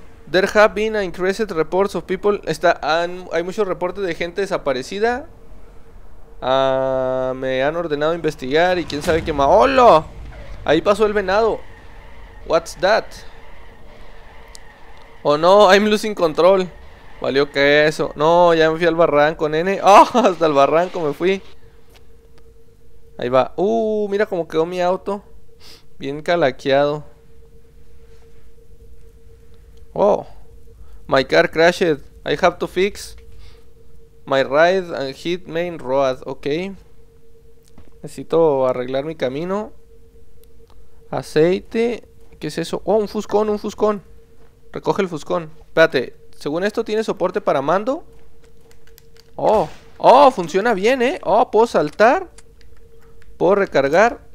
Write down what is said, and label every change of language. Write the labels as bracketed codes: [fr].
[en] There have been increased reports of people. [es] Hay muchos reportes de gente desaparecida. Me han ordenado investigar y quién sabe qué más. ¡Hola! Ahí pasó el venado. [en] What's that? Oh no, I'm losing control. [es] Valió que eso. No, ya me fui al barranco, nene. Oh, hasta el barranco me fui. Ahí va. Mira cómo quedó mi auto. Bien calaqueado. [en] Oh, my car crashed. I have to fix my ride and hit main road. Ok. [es] Necesito arreglar mi camino. Aceite, ¿qué es eso? Oh, un fuscón. Recoge el fuscón. Espérate, según esto tiene soporte para mando. Oh, funciona bien, Oh, puedo saltar. Puedo recargar.